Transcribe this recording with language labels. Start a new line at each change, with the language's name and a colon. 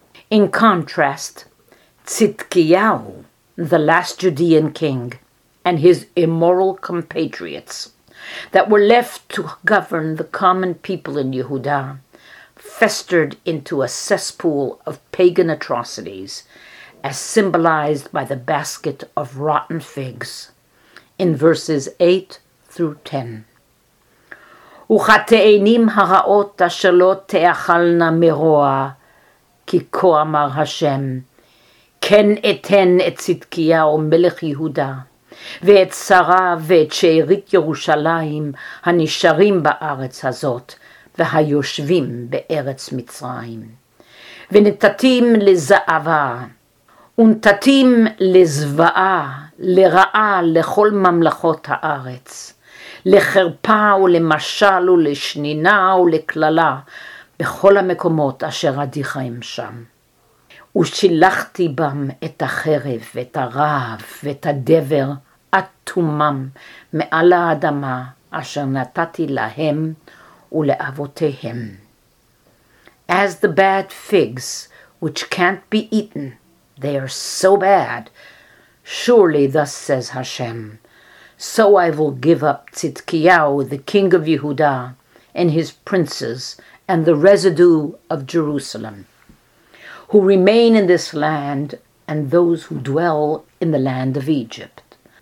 English: In contrast, Tzidkiyahu, the last Judean king, and his immoral compatriots that were left to govern the common people in Yehuda, festered into a cesspool of pagan atrocities, as symbolized by the basket of rotten figs, in verses 8 through 10.
Hebrew: וחטאינים הרעות אשר לא תאכלנה מרוע, כי כה אמר השם, כן אתן את צדקיהו מלך יהודה, ואת שרה ואת שארית ירושלים הנשארים בארץ הזאת, והיושבים בארץ מצרים. ונתתים לזהבה, ונתתים לזוועה, לרעה לכל ממלכות הארץ. לחרפה ולמשל ולשנינה ולקללה בכל המקומות אשר אדיחה הם שם. ושילחתי בם את החרב ואת הרעב ואת הדבר עד תומם מעל האדמה אשר נתתי להם ולאבותיהם.
English: As the bad figs, which can't be eaten, they are so bad, surely thus says Hashem, so I will give up Tzidkiyahu, the king of Yehuda, and his princes, and the residue of Jerusalem, who remain in this land, and those who dwell in the land of Egypt.